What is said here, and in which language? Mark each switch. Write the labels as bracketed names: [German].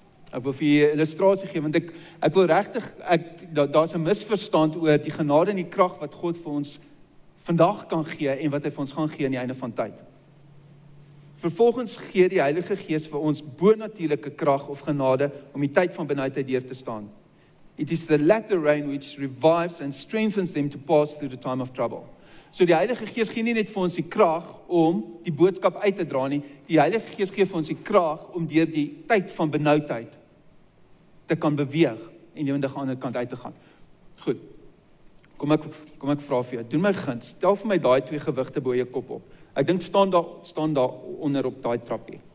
[Afrikaans] Ek wil vir jy illustrasie gee, want ek wil regtig, daar is 'n misverstand oor die genade en die krag wat God vir ons vandag kan gee en wat hy vir ons gaan gee in die einde van tyd. Vervolgens gee die Heilige Gees vir ons bonatuurlike krag of genade om die tyd van benauwdheid deur te staan. [English] It is the latter rain which revives and strengthens them to pass through the time of trouble. [Afrikaans] So die Heilige Gees gee nie net vir ons die krag om die boodskap uit te dra nie. Die Heilige Gees gee vir ons die krag om deur die tyd van benoudheid te kan beweeg en lewendig aan die ander kant uit te gaan. Goed. Kom ek vra vir jou. Doen my guns. Stel vir my daai twee gewigte bo jou kop op. Ek dink staan daar onder op daai trappie.